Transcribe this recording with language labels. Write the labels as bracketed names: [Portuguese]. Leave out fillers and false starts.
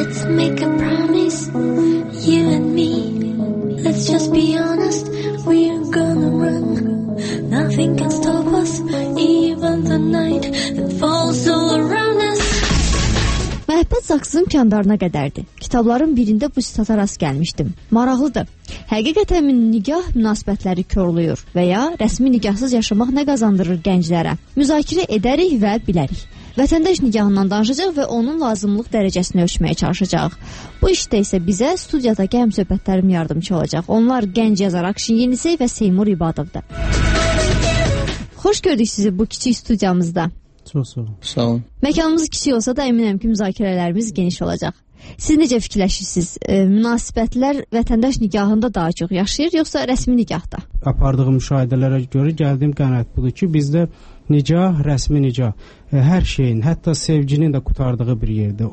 [English] Make a promise, you and me. Let's just be honest, we're gonna run. Nothing can stop us, even the night that falls all around us. [Azerbaijani] Məhbət Saksın kandarına qədərdir. Kitabların birində bu sitata rast gəlmişdim. Maraqlıdır. Həqiqətən nikah münasibətləri körlüyür və ya rəsmi nikahsız yaşamaq nə qazandırır gənclərə? Müzakirə edərik və bilərik. Vətəndaş nikahından danışacaq və onun lazımlıq dərəcəsini ölçməyə çalışacaq. Bu işdə isə bizə studiyada həm söhbətlərim yardımçı olacaq. Onlar gənc yazar Akşin Yenisey və Seymur İbadovdur. Xoş gördük sizi bu kiçik studiyamızda. Çox sağ olun. Sağ olun. Məkanımız kiçik olsa da əminəm ki, müzakirələrimiz geniş olacaq. Siz necə fikirləşirsiniz? Münasibətlər vətəndaş nikahında daha çox yaşayır, yoxsa rəsmi nikahda? Apardığım müşahidələrə görə gəldiyim qənaət budur ki, bizdə nikah, rəsmi nikah, hər şeyin, hətta sevginin də qurtardığı bir yerdir.